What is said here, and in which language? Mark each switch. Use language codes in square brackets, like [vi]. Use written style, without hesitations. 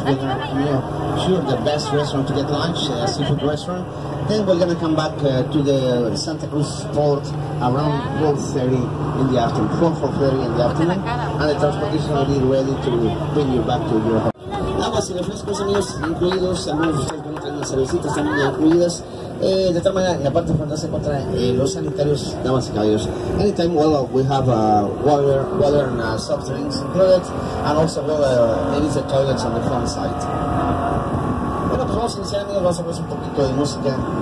[en] We're gonna come here to the best restaurant to get lunch, a seafood restaurant. Then we're gonna come back to the Santa Cruz port around 4:30 in the afternoon, 4:30 in the afternoon, and the transportation will be ready to bring you back to your home. [es] Aguas y refrescos, amigos, incluidos, amigos, las cervecitas también incluidas. De tal manera, la parte frontal se encuentra los sanitarios, damas y caballeros. [en] Anytime, well, we have water and soft drinks included, and also, well, there is a toilet on the front side. [es] Bueno, pues vamos a iniciar, amigos, vamos a ver un poquito de música.